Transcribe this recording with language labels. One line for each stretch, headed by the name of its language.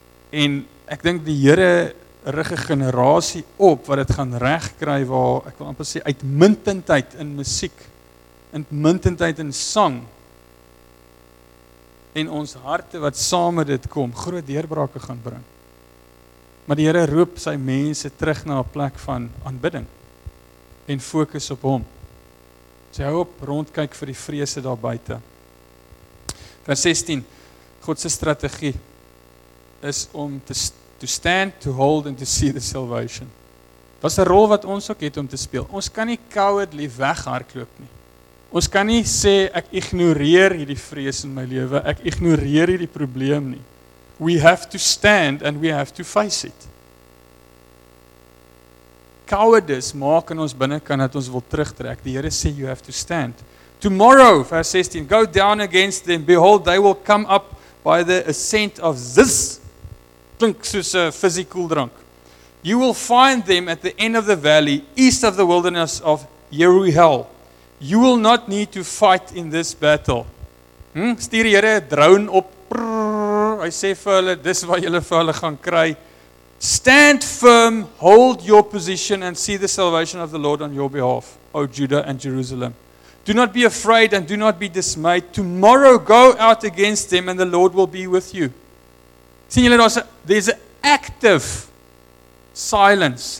Afrikaans: En ek dink die Here rig 'n generasie op wat dit gaan regkry waar ek wil amper sê uitmuntendheid in musiek, uitmuntendheid in sang en ons harte wat saam met dit kom, groot deurbrake gaan bring. Maar die Here roep sy mense terug na 'n plek van aanbidding en fokus op hom. Sy hou op rondkyk vir die vrese daar buite. Vers 16, God se strategie is om
English: to stand, to hold and to see the salvation.
Afrikaans: Dit is 'n rol wat ons ook het om te speel. Ons kan nie cowardly weghardloop nie. Ons kan nie sê ek ignoreer hierdie vrees in my lewe, ek ignoreer hierdie probleem nie.
English: We have to stand and we have to face it.
Afrikaans: Cowardice maak in ons binnekant dat ons wil terugtrek. Die Here sê
English: you have to stand. Tomorrow, vers 16, go down against them. Behold, they will come up by the ascent of this.
Afrikaans: Klink soos 'n physical drink.
English: You will find them at the end of the valley, east of the wilderness of Jeruel. You will not need to fight in this battle.
Afrikaans: Stuur die Here 'n drone op. Hy sê vir hulle, dis wat julle vir hulle gaan kry.
English: Stand firm, hold your position and see the salvation of the Lord on your behalf, O Judah and Jerusalem. Do not be afraid and do not be dismayed. Tomorrow go out against them and the Lord will be with you.
Afrikaans: Sien julle,
English: there's an active silence.